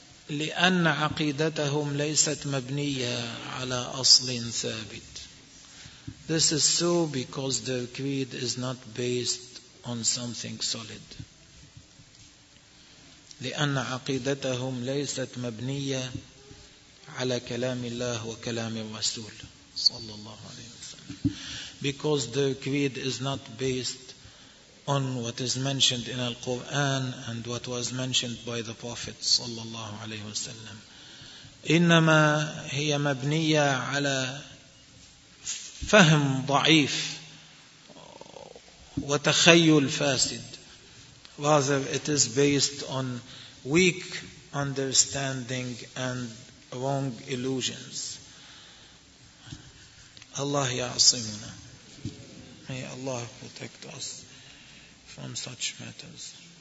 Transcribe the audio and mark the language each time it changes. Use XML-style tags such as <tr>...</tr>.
<ar>لأن عقيدتهم ليست مبنية على أصل ثابت.</ar> <en>This is so because their creed is not based on something solid.</en> <ar>لأن عقيدتهم ليست مبنية على كلام الله وكلام الرسول صلى الله عليه وسلم.</ar> <en>Because their creed is not based on what is mentioned in Al-Quran and what was mentioned by the Prophet</en> <ar>صلى الله عليه وسلم. إنما هي مبنية على فهم ضعيف وتخيل فاسد.</ar> <en>Rather, it is based on weak understanding and wrong illusions.</en> <ar>الله يعصمنا.</ar> <en>May Allah protect us from such matters.</en>